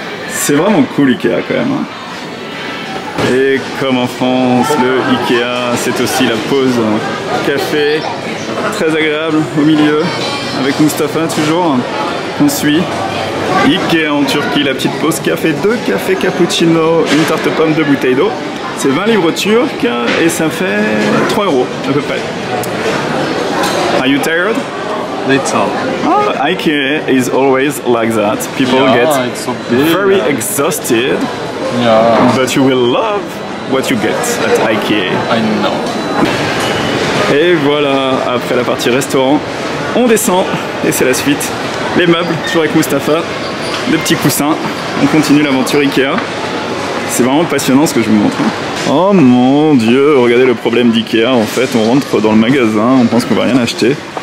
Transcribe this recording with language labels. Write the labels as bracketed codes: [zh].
[fr] C'est vraiment cool Ikea quand même, hein. Et comme en France, le Ikea, c'est aussi la pause café, très agréable au milieu, avec Mustafa toujours. On suit Ikea en Turquie, la petite pause café, deux cafés cappuccino, une tarte pomme, deux bouteilles d'eau. C'est 20 livres turcs et ça fait 3€ à peu près. [en] Are you tired? Little. Oh, Ikea is always like that. People yeah, get very exhausted. Yeah. But you will love what you get at Ikea. I know. [fr] Et voilà, après la partie restaurant, on descend et c'est la suite. Les meubles, toujours avec Mustafa, les petits coussins, on continue l'aventure Ikea. C'est vraiment passionnant ce que je vous montre. Oh mon dieu, regardez le problème d'Ikea, en fait on rentre dans le magasin, on pense qu'on va rien acheter.